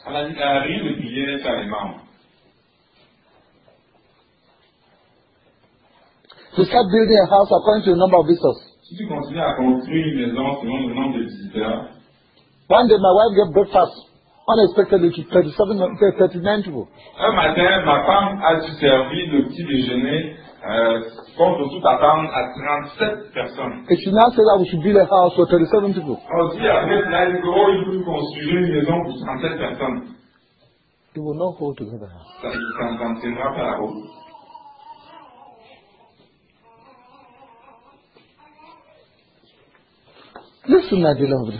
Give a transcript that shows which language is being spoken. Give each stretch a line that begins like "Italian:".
French: À la réunion de prière, tu as les membres.
English: To start building a house according to the number of visitors.
French: Si tu continues à construire une maison selon le nombre de visiteurs.
English: One day, my wife gave breakfast unexpectedly to 39 people.
French: Un matin, ma femme a dû servir le petit déjeuner. Contre toute attente à 37 personnes.
English: Et she now said that we should build a house for 37 people.
French: On dit après cela, il faut construire une maison pour 37 personnes.
English: It will not hold together.
French: Ça ne tiendra pas la route.
English: Listen, my beloved.